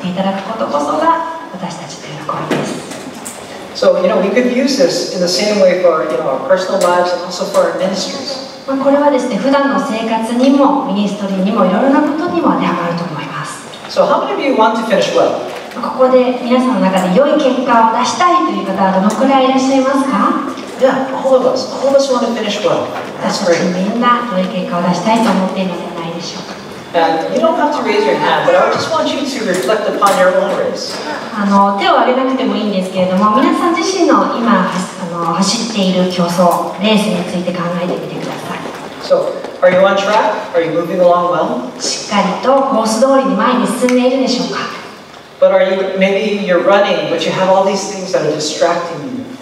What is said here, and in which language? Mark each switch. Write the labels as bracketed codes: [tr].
[ja] そして私たちが良い結果につながるような働きをした時に、神様からよくやった、良い忠実な仕事だと言っていただくことこそが私たちの喜びです。 [en] So you know, we could use this in the same way for you know our personal lives, and also for our ministries. [ja] これはですね、普段の生活にもミニストリーにもいろいろなことにも当てはまると思います。 [en] So how many of you want to finish well? [ja] ここで皆さんの中で良い結果を出したいという方はどのくらいいらっしゃいますか? [en] Yeah, all of us want to finish well. That's great. [ja] みんな良い結果を出したいと思っているのではないでしょうか? [en] And you don't have to raise your hand, but I just want you to reflect upon your own race. [ja] 手を挙げなくてもいいんですけれども、皆さん自身の今走っている競争、レースについて考えてみてください。 [en] So, are you on track? Are you moving along well? [ja] しっかりとコース通りに前に進んでいるでしょうか? [en] But are you, maybe you're running, but you have all these things that are distracting you.